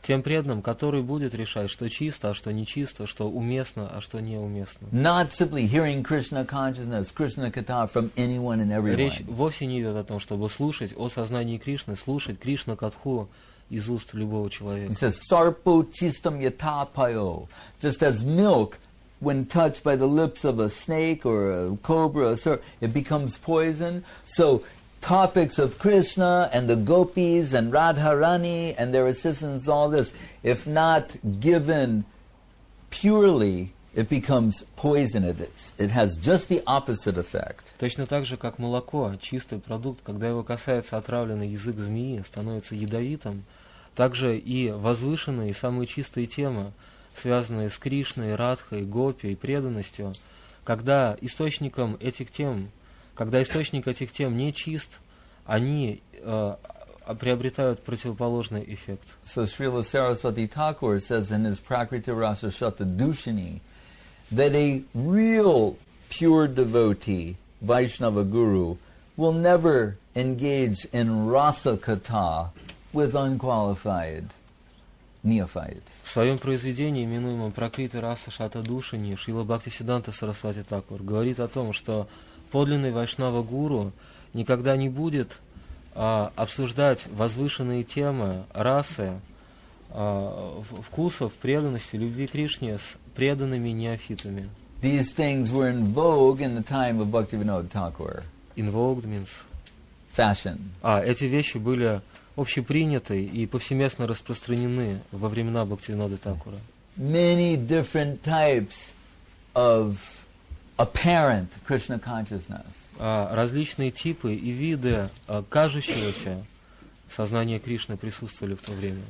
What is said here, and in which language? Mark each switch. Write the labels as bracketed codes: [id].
[ru] Тем преданным, который будет решать, что чисто, а что нечисто, что уместно, а что неуместно. [en] Not simply hearing Krishna consciousness, Krishna katha from anyone and everyone. [ru] Речь вовсе не идет о том, чтобы слушать о сознании Кришны, слушать Кришна катху из уст любого человека. [en] It says [sa] sarpo chistam yatha payo, [en] just as milk. When touched by the lips of a snake or a cobra, or it becomes poison. So, topics of Krishna and the gopis and Radharani and their assistants, all this, if not given purely, it becomes poison. It has just the opposite effect. [ru] Точно так же, как молоко, чистый продукт, когда его касается отравленный язык змеи, становится ядовитым, также и возвышенные, самые чистые темы, связанные с Кришной, Радхой, Гопи и преданностью, когда источник этих тем не чист, они приобретают противоположный эффект. [en] So Srila Saraswati Thakur says in his Prakriti Rasa Shata Dushini that a real pure devotee, Vaishnava Guru, will never engage in rasa katha with unqualified neophytes. [ru] В своем произведении, именуемом «Пракрита Раса Шата Душини», Шрила Бхактисиддханта Сарасвати Такур говорит о том, что подлинный вайшнава гуру никогда не будет обсуждать возвышенные темы расы, вкусов, преданности, любви Кришне с преданными неофитами. [en] These things were in vogue in the time of Bhaktivinoda Thakur. In vogue means fashion. [ru] Эти вещи были общеприняты и повсеместно распространены во времена Бхактивинода Такура. [en] Many different types of apparent Krishna consciousness. [ru] Различные типы и виды кажущегося сознания Кришны присутствовали в то время.